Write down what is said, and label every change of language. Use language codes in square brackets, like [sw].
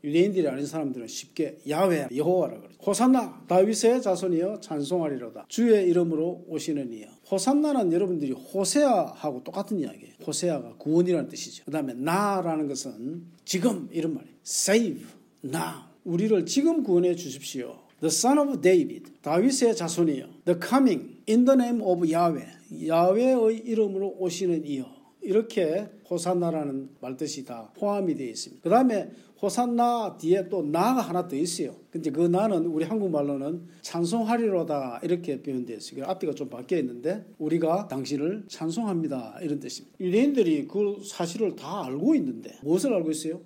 [ko] 유대인들이 아닌 사람들은 쉽게 야외 여호와라 그러죠. 호산나 다윗의 자손이여 찬송하리로다. 주의 이름으로 오시는 이여. 호산나는 여러분들이 호세아하고 똑같은 이야기예요. 호세아가 구원이라는 뜻이죠. 그 다음에 나라는 것은 지금 이런 말이에요. [en] Save now. [ko] 우리를 지금 구원해 주십시오. [en] The son of David, [ko] 다윗의 자손이요. [en] The coming, in the name of Yahweh, [ko] 야훼의 이름으로 오시는 이요. 이렇게 호산나라는 말뜻이 다 포함이 되어 있습니다. 그 다음에 호산나 뒤에 또 나가 하나 더 있어요. 근데 그 나는 우리 한국말로는 찬송하리로다 이렇게 표현되어 있어요. 앞뒤가 좀 바뀌어 있는데 우리가 당신을 찬송합니다 이런 뜻입니다. 유대인들이 그 사실을 다 알고 있는데 무엇을 알고 있어요?